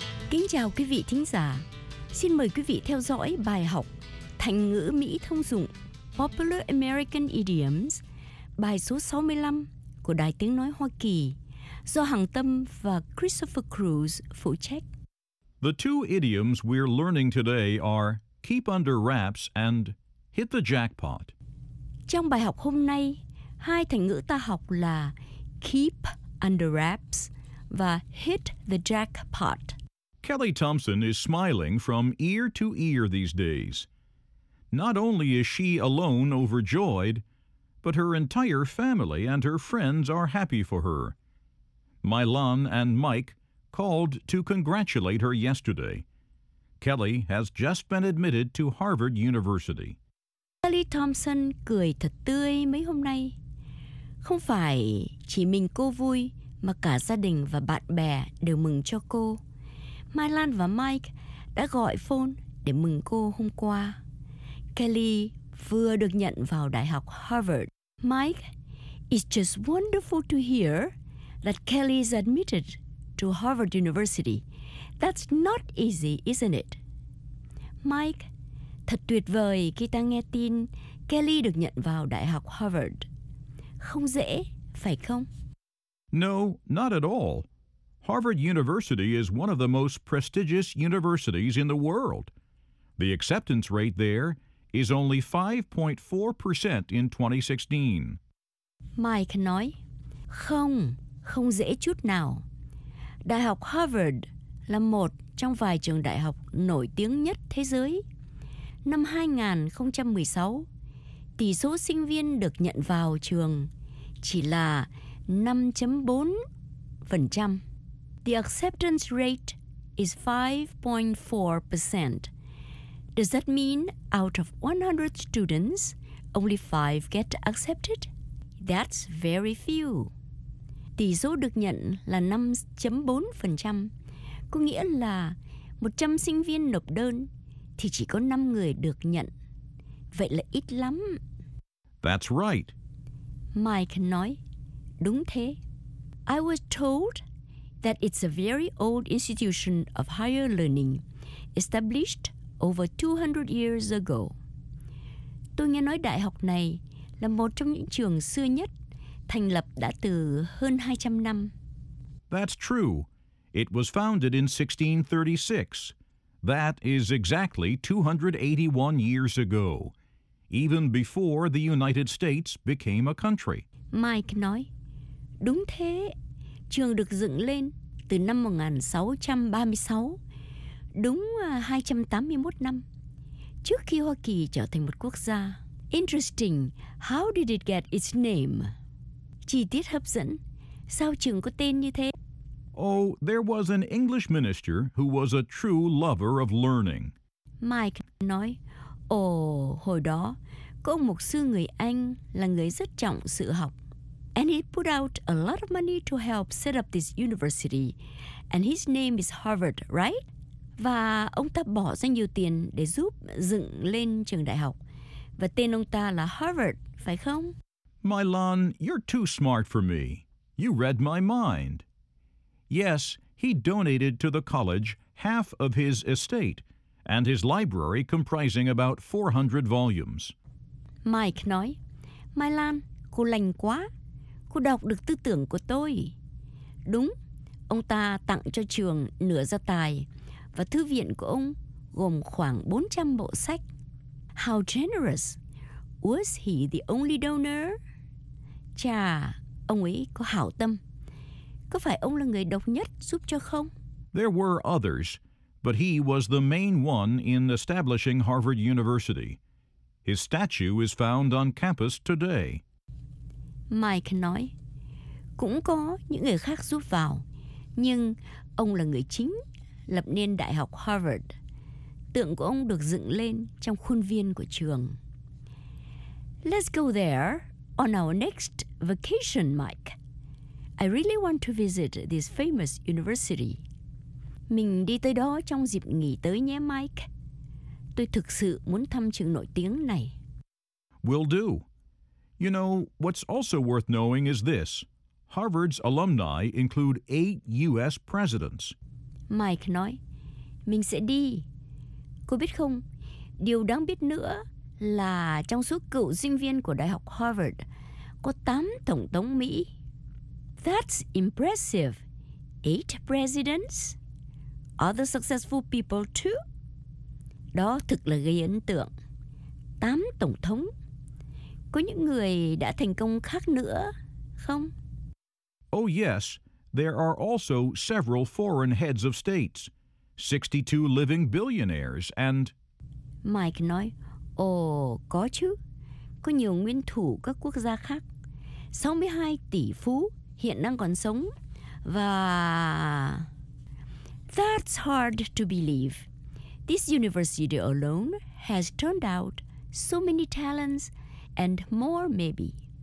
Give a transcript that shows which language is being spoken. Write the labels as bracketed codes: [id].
[vi] Kính chào quý vị thính giả. Xin mời quý vị theo dõi bài học Thành ngữ Mỹ thông dụng Popular American Idioms, bài số 65 của Đài Tiếng Nói Hoa Kỳ, do Hằng Tâm và Christopher Cruz phụ trách. [en] The two idioms we're learning today are keep under wraps and hit the jackpot. [vi] Trong bài học hôm nay, hai thành ngữ ta học là [en] keep under wraps [vi] và [en] hit the jackpot. Kelly Thompson is smiling from ear to ear these days. Not only is she alone overjoyed, but her entire family and her friends are happy for her. Mylon and Mike called to congratulate her yesterday. Kelly has just been admitted to Harvard University. [vi] Kelly Thompson cười thật tươi mấy hôm nay. Không phải chỉ mình cô vui, mà cả gia đình và bạn bè đều mừng cho cô. Mylon và Mike đã gọi phone để mừng cô hôm qua. Kelly vừa được nhận vào Đại học Harvard. [en] Mike, it's just wonderful to hear that Kelly is admitted to Harvard University. That's not easy, isn't it? [vi] Mike, thật tuyệt vời khi ta nghe tin Kelly được nhận vào Đại học Harvard. Không dễ, phải không? [en] No, not at all. Harvard University is one of the most prestigious universities in the world. The acceptance rate there is only 5.4% in 2016. [vi] Mike nói, không, không dễ chút nào. Đại học Harvard là một trong vài trường đại học nổi tiếng nhất thế giới. Năm 2016, tỷ số sinh viên được nhận vào trường chỉ là 5.4%. [en] The acceptance rate is 5.4%. Does that mean out of 100 students, only 5 get accepted? That's very few. [vi] Tỷ số được nhận là 5.4%, có nghĩa là 100 sinh viên nộp đơn thì chỉ có 5 người được nhận. Vậy là ít lắm. [en] That's right. [vi] Mike nói, đúng thế. [en] I was told that it's a very old institution of higher learning, established over 200 years ago. [vi] Tôi nghe nói đại học này là một trong những trường xưa nhất, thành lập đã từ hơn 200 năm. [en] That's true. It was founded in 1636. That is exactly 281 years ago, even before the United States became a country. [vi] Mike nói, đúng thế. Trường được dựng lên từ năm 1636, đúng 281 năm, trước khi Hoa Kỳ trở thành một quốc gia. [en] Interesting. How did it get its name? [vi] Chi tiết hấp dẫn. Sao trường có tên như thế? [en] Oh, there was an English minister who was a true lover of learning. [vi] Mike nói, hồi đó, có ông mục sư người Anh là người rất trọng sự học. [en] And he put out a lot of money to help set up this university. And his name is Harvard, right? [vi] Và ông ta bỏ ra nhiều tiền để giúp dựng lên trường đại học. Và tên ông ta là Harvard, phải không? [en] Milan, you're too smart for me. You read my mind. Yes, he donated to the college half of his estate and his library comprising about 400 volumes. [vi] Mike nói, Milan, cô lành quá. Cô đọc được tư tưởng của tôi. Đúng, ông ta tặng cho trường nửa gia tài và thư viện của ông gồm khoảng 400 bộ sách. [en] How generous! Was he the only donor? [vi] Chà, ông ấy có hảo tâm. Có phải ông là người độc nhất giúp cho không? [en] There were others, but he was the main one in establishing Harvard University. His statue is found on campus today. [vi] Mike nói, cũng có những người khác giúp vào, nhưng ông là người chính lập nên Đại học Harvard. Tượng của ông được dựng lên trong khuôn viên của trường. [en] Let's go there on our next vacation, Mike. I really want to visit this famous university. [vi] Mình đi tới đó trong dịp nghỉ tới nhé, Mike. Tôi thực sự muốn thăm trường nổi tiếng này. [en] Will do. You know, what's also worth knowing is this. Harvard's alumni include 8 U.S. presidents. [vi] Mike nói, mình sẽ đi. Cô biết không, điều đáng biết nữa là trong số cựu sinh viên của Đại học Harvard, có 8 tổng thống Mỹ. [en] That's impressive. 8 presidents? Other successful people too? [vi] Đó thực là gây ấn tượng. 8 tổng thống. Có những người đã thành công khác nữa, không? [en] Oh yes, there are also several foreign heads of states, 62 living billionaires, and... [vi] Mike nói, có chứ, có nhiều nguyên thủ các quốc gia khác, 62 tỷ phú hiện đang còn sống, và... [en] That's hard to believe. This university alone has turned out so many talents and more maybe.